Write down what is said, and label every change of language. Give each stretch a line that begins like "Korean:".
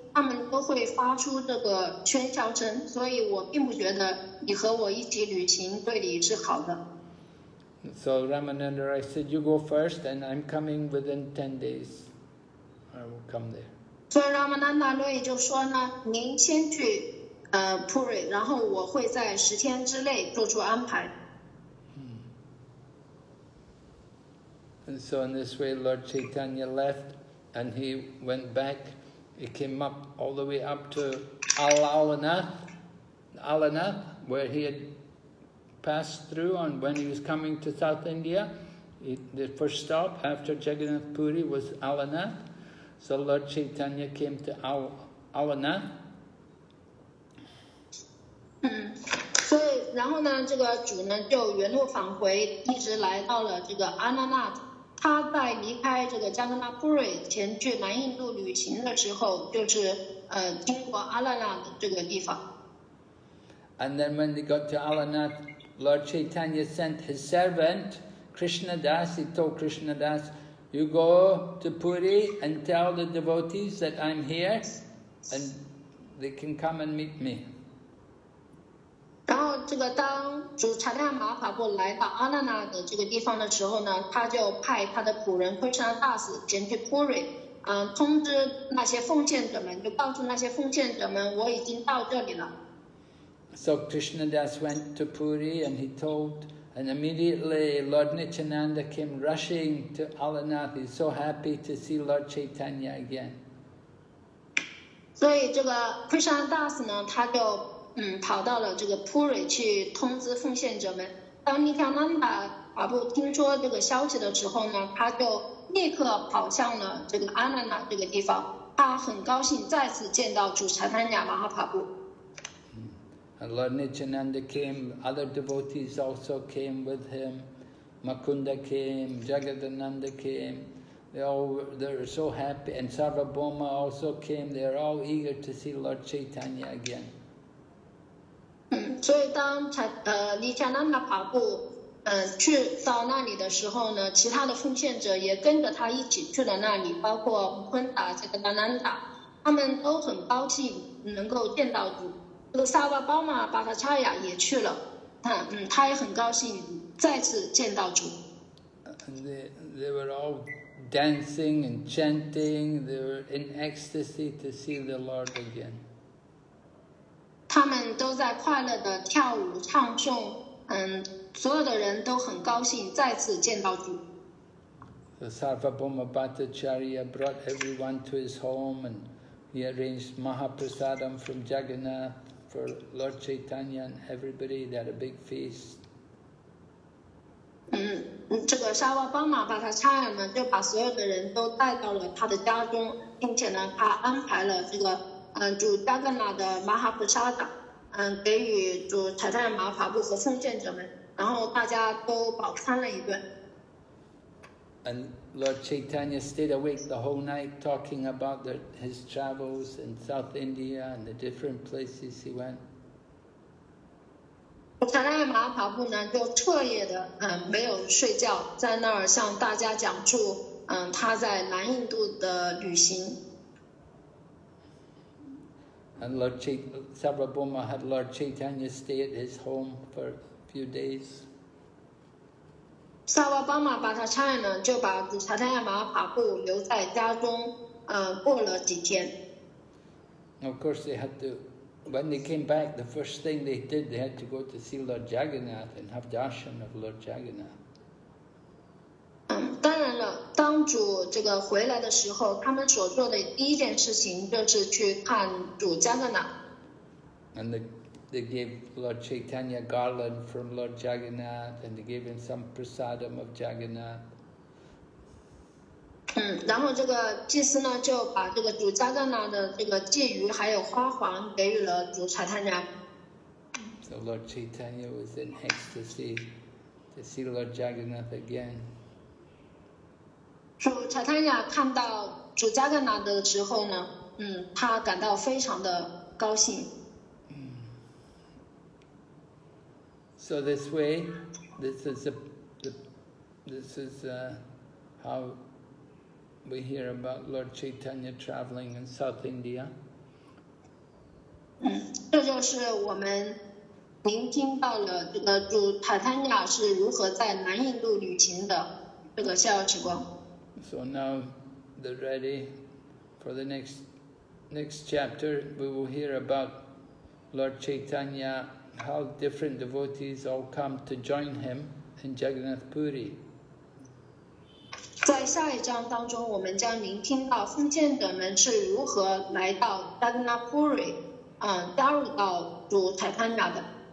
Chinese: 他们都会发出这个喧嚣声，所以我并不觉得你和我一起旅行对你是好的。
English: So Ramananda Rai said, "You go first, and I'm coming within 10 days. I will come there."
Chinese: 所以 Ramananda Rai 就说呢，您先去Puri， 然后我会在10天之内做出安排。
English: And so in this way, Lord Chaitanya left, and he went back. He came up all the way up to Alanath, where he had passed through, and when he was coming to South India, the first stop after Jagannath Puri was Alanath. So Lord Chaitanya came to Alanath.
Chinese: 所以然后呢，这个主呢就原路返回，一直来到了这个 Alanath。他在离开这个加格纳布瑞前去南印度旅行的时候，就是经过阿拉纳的这个地方。
English: And then when they got to Alanath, Lord Chaitanya sent his servant Krishna Das. He told Krishna Das, "You go to Puri and tell the devotees that I'm here, and they can come and meet me."
Chinese: 然后这个当主查那亚马哈帕布来到阿那那的这个地方的时候呢，他就派他的仆人 Krishna Das 前去 Puri， 通知那些奉献者们，就告诉那些奉献者们，我已经到这里了。
English: So Krishna Das went to Puri and he told, and immediately Lord Nityananda came rushing to Alanath. He's so happy to see Lord Chaitanya again.
Chinese: 所以这个 Krishna Das 呢，他就跑到了这个 Puri 去通知奉献者们。当 Nityananda 阿布听说这个消息的时候呢，他就立刻跑向了这个 Anana 这个地方。他很高兴再次见到主查那亚马哈帕布。
English: And Lord Nityananda came, other devotees also came with him. Makunda came, Jagadananda came. They were so happy. And Sarvabhoma also came. They are all eager to see Lord Chaitanya again.
Chinese: 所以当尼加纳那帕布去到那里的时候呢，其他的奉献者也跟着他一起去了那里，包括穆昆达、这个达南达，他们都很高兴能够见到主。这个萨瓦巴玛巴塔查亚也去了，他也很高兴再次见到主。
English: They were all dancing and chanting. They were in ecstasy to see the Lord again.
Chinese: 他们都在快乐地跳舞唱诵，所有的人都很高兴再次见到主。
English: Sarvabhoma Bhattacharya brought everyone to his home and He arranged Mahaprasadam from Jagannath for Lord Chaitanya and everybody. They had a big feast.
Chinese: 这个沙瓦巴玛巴塔查亚呢，就把所有的人都带到了他的家中，并且呢，他安排了这个主加格纳的玛哈普沙达，给予主坦赞玛法布和奉献者们，然后大家都饱餐了一顿。
English: And Lord Chaitanya stayed awake the whole night talking about his travels in South India and the different places he went.
Chinese: 坦赞玛哈布呢，就彻夜的，没有睡觉，在那儿向大家讲述，他在南印度的旅行。
English: And Lord Sarvabhauma had Lord Chaitanya stay at his home for a few days.
Chinese: Sarvabhauma Bhattacharya 呢，就把坦赞玛哈布留在家中，过了几天。
English: Of course, they had to. When they came back, the first thing they did, they had to go to see Lord Jagannath and have darshan of Lord Jagannath.
Chinese: 当然了，当主这个回来的时候，他们所做的第一件事情就是去看主加格纳。
English: And they gave Lord Chaitanya garland from Lord Jagannath, and they gave him some prasadam of Jagannath.
Chinese: 然后这个祭司呢，就把这个主加格纳的这个祭鱼还有花环给予了主查坦尼亚。
English: So Lord Chaitanya was in ecstasy to see Lord Jagannath again.
Chinese: 主查坦尼亚看到主加格纳的时候呢，他感到非常的高兴。
English: So this way, this is how. We hear about Lord Chaitanya traveling in South India.
Chinese: 这就是我们聆听到了这个主塔坦雅是如何在南印度旅行的这个逍遥时光。
English: So now they're ready for the next chapter. We will hear about Lord Chaitanya, how different devotees all come to join him in Jagannath Puri.
Chinese: 在下一章当中，我们将聆听到奉献者们是如何来到 Jagannath Puri， 加入到主坦赞玛的。